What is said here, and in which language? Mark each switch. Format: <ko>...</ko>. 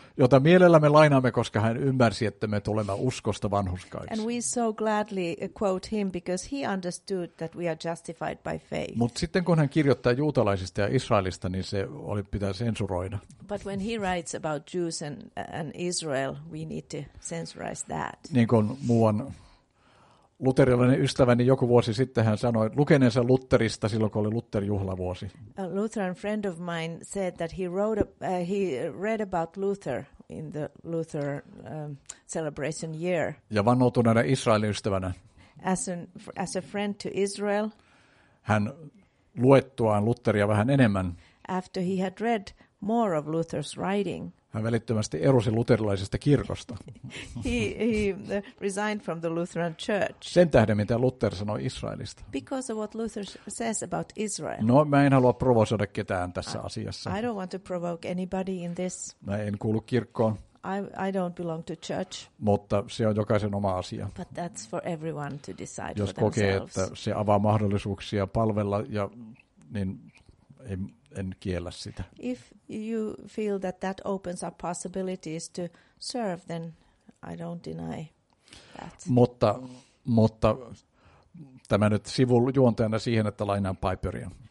<fi>Jota mielellämme lainaamme, koska hän ymmärsi, että me tulemme uskosta vanhurskaiksi.</fi> <en>And we so gladly quote him because he understood that we are justified by faith.</en> <fi>Mut sitten kun hän kirjoittaa juutalaisista ja Israelista, niin se oli pitää sensuroida.</fi> <en>But when he writes about Jews and Israel, we need to censorize that.</en> <fi>Niin kuin muuan luterilainen ystäväni joku vuosi sitten hän sanoi lukeneensa Lutherista silloin kun oli Lutherjuhlavuosi.</fi> <en>A Lutheran friend of mine said that he read about Luther in the Luther celebration year.</en> <fi>Ja vannoutuneena Israelin ystävänä.</fi> <en>As a friend to Israel.</en> <fi>Hän luettuaan Lutheria vähän enemmän.</fi> <en>After he had read more of Luther's writing.</en> <fi>Hän välittömästi erosi luterilaisesta kirkosta.</fi> <en>He resigned from the Lutheran church.</en> <fi>Sen tähden, mitä Luther sanoi Israelista.</fi> <en>Because of what Luther says about Israel.</en> <fi>No, mä en halua provosoida ketään tässä asiassa.</fi> <en>I don't want to provoke anybody in this.</en> <fi>Mä en kuulu kirkkoon.</fi> <en>I don't belong to church.</en> <fi>Mutta se on jokaisen oma asia.</fi> <en>But that's for everyone to decide.</en> <fi>Jos</fi> <en>for themselves.</en> <fi>Kokee, että se avaa mahdollisuuksia palvella, ja, niin ei. En kiellä sitä.</fi> <en>If you feel that that opens up possibilities to serve, then I don't deny that.</en> <fi>Mutta tämä nyt sivujuonteena siihen, että lainaan Piperia.</fi>